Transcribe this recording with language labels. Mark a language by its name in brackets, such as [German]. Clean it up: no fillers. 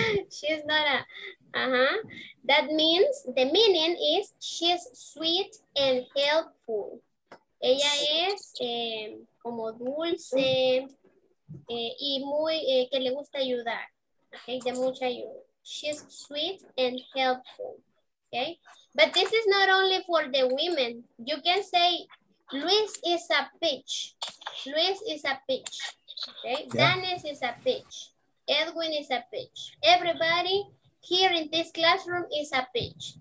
[English] She's not a, That means, the meaning is, she's sweet and helpful. [Spanish] Ella es como dulce y muy, que le gusta ayudar. [English] Okay, [Spanish] de mucha ayuda. [English] She's sweet and helpful, okay? But this is not only for the women. You can say, Luis is a peach. Luis is a peach, okay? Yeah. Dennis is a peach. Edwin is a peach. Everybody here in this classroom is a peach.